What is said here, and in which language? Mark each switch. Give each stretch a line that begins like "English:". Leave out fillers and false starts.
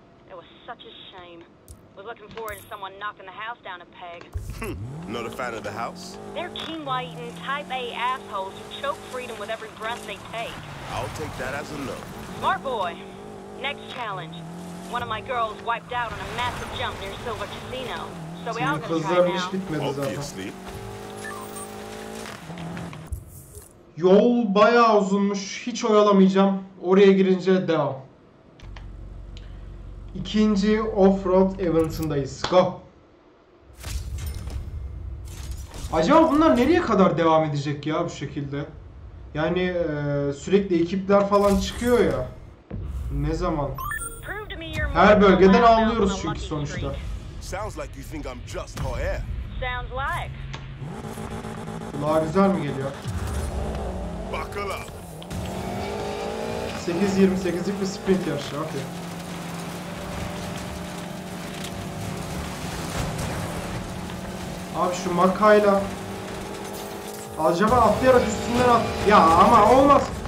English: It was such a shame. Was looking forward to someone knocking the house down a peg. Not a fan of the house? They're quinoa-eating type A assholes who choke freedom with every breath they take. I'll take that as a no. Smart boy. Next challenge. One of my girls wiped out on a massive jump near Silver Casino.
Turkish: Şimdi kızlarım hiç bitmedi zaten. Yol bayağı uzunmuş. Hiç oyalamayacağım. Oraya girince devam. İkinci off-road event'ındayız. Go! Acaba bunlar nereye kadar devam edecek ya bu şekilde? Yani sürekli ekipler falan çıkıyor ya. Ne zaman? Her bölgeden alıyoruz çünkü sonuçta.
English: Sounds like you think I'm just her. Sounds like.
Turkish: Kulağa güzel mi geliyor? yakala. 8.28'lik bir sprint yarışı, okey. Abi şu makayla acaba atlayarak üstünden at ya, ama olmaz.